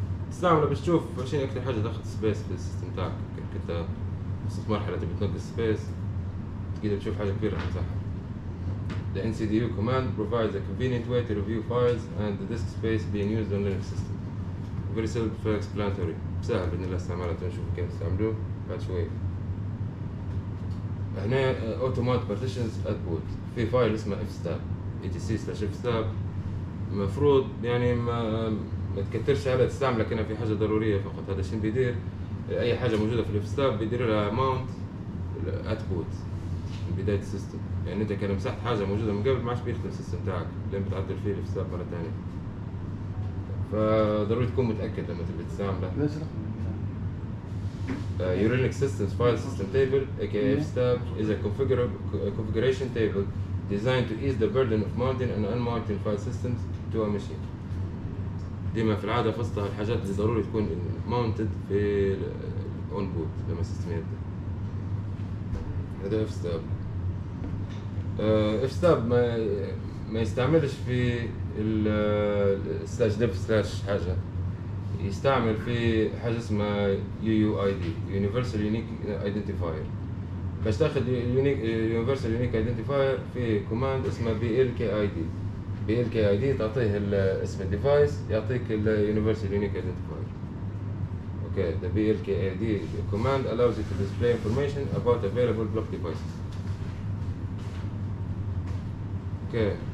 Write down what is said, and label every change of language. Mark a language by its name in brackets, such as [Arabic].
[Arabic] تستعمله بس تشوف ايش اكثر حاجه تاخذ سبيس في السيستم تاعك. كنت وصلت مرحله تبي تنقص سبيس تقدر تشوف حاجه كبيره تحتها. [English] The NCDU command provides a convenient way to review files and the disk space being used on Linux system. Very self-explanatory. [Arabic] سهل بإذن الله استعمالها تنشوف كيف تستعملوه بعد شوية. هنا [English] automatic partitions at boot. [Arabic] في فايل اسمه fstab. [English] etc/fstab. [Arabic] مفروض يعني ما تكترش على تستعمله كنا في حاجة ضرورية فقط. هذا شين بيدير أي حاجة موجودة في fstab بيدير لها [English] mount at boot. [Arabic] بداية السيستم يعني انت كان مسحت حاجة موجودة من قبل ما عادش بيخدم السيستم تاعك لين بتعدل فيه الافتتاح مرة تانية. فضروري تكون متأكد لما تبي تستعمله. ليش رقم [English] your Linux systems file system table aka fstab is a configuration table designed to ease the burden of mounting and unmounting file systems to a machine. [Arabic] ديما في العادة فصلها الحاجات اللي ضروري تكون mounted في [English] on boot [Arabic] لما السيستم يبدأ. هذا fstab. fstab ما يستعملش في ال slash dev slash حاجة. يستعمل في حاجة اسمها UUID Universal Unique Identifier. باش تاخد Universal Unique Identifier في command اسمه BLKID. BLKID تعطيه اسم الديفايس يعطيك ال Universal Unique Identifier. [English] Okay, the BLKID command allows you to display information about available block devices. Okay.